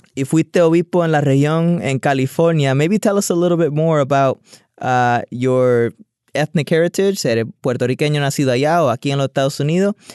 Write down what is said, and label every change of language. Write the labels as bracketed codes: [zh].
[es] Y fuiste obispo en la región en California. [en] Maybe tell us a little bit more about your ethnic heritage. [es] ¿Eres puertorriqueño nacido allá o aquí en los Estados Unidos?